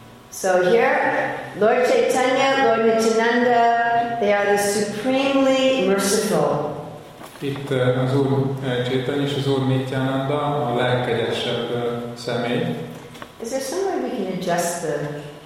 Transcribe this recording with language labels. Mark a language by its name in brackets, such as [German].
[English] So here, Lord Chaitanya, Lord Nityananda, they are the supremely merciful. [Hungarian] Itt az Úr Chaitanya és az Úr Nityananda a legkegyesebb személy. [English] Is there somewhere we can adjust the?